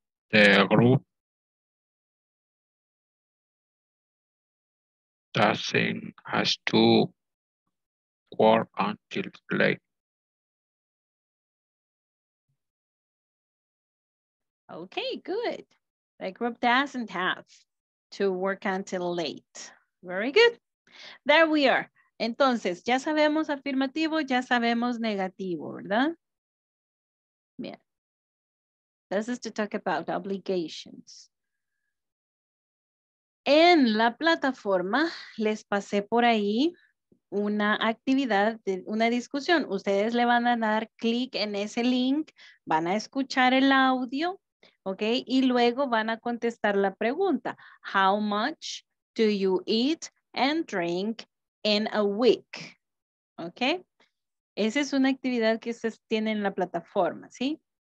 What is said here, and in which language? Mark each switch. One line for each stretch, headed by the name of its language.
English: The group doesn't has to work until late. Okay, good. The group doesn't have to work until late. Very good. There we are.
Spanish: Entonces, ya sabemos afirmativo, ya sabemos negativo, ¿verdad? Bien.
English: This is to talk about obligations.
Spanish: En la plataforma, les pasé por ahí una actividad, de una discusión. Ustedes le van a dar clic en ese link, van a escuchar el audio, ¿ok? Y luego van a contestar la pregunta.
English: How much do you eat and drink in a week? ¿Ok?
Spanish: Esa es una actividad que ustedes tienen en la plataforma, ¿sí?